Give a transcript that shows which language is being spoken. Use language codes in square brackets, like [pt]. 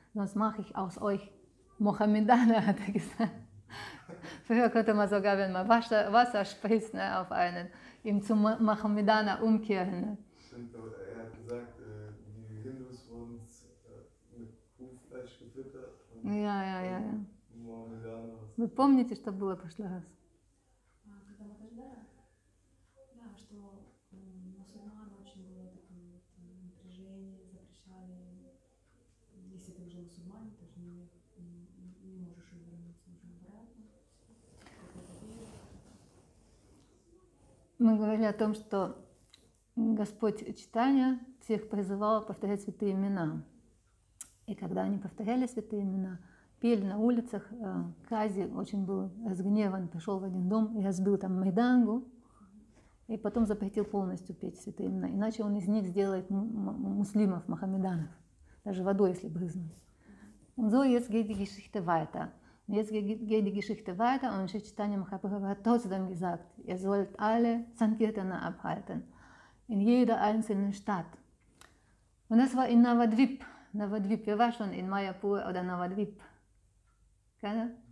[de] Sonst mache ich aus euch Mohammedaner, hat er gesagt. Früher konnte man sogar, wenn man Wasser spritzt, ne, auf einen, ihm zu Mahamedana umkehren. Ne. Stimmt, aber er hat gesagt, die Hindus wurden mit Kuhfleisch gefüttert. Und ja. Mohammedana. [ru] Вы помните, что было в прошлый раз? Когда мы тогда, что мусульманы очень было такое напряжение, запрещали, если ты уже мусульман, то не можешь вернуться уже обратно. Мы говорили о том, что Господь Чайтанья всех призывал повторять святые имена. И когда они повторяли святые имена, пели на улицах, Кази очень был разгневан, пошел в один дом и разбил там майдангу, и потом запретил полностью петь святые имена. Иначе он из них сделает муслимов, мохаммеданов, даже водой, если брызнуть. [de] Und so jetzt geht die Geschichte weiter. Jetzt geht die Geschichte weiter und Sri Chaitanya Mahaprabhu hat trotzdem gesagt, ihr sollt alle Sankirtana abhalten, in jeder einzelnen Stadt. Und das war in Navadvip. Navadvip, wer war schon in Mayapur oder Navadvip? Keiner?